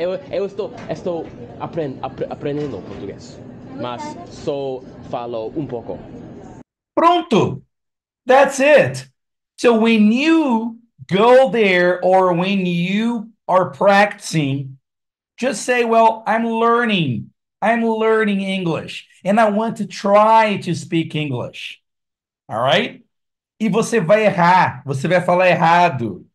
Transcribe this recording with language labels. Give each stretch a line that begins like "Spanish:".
Portuguese: Eu estou aprendendo português, mas só falo um pouco.
English: Pronto! That's it! So when you go there or when you are practicing, just say, well, I'm learning English and I want to try to speak English. All right?
Portuguese: E você vai errar, você vai falar errado.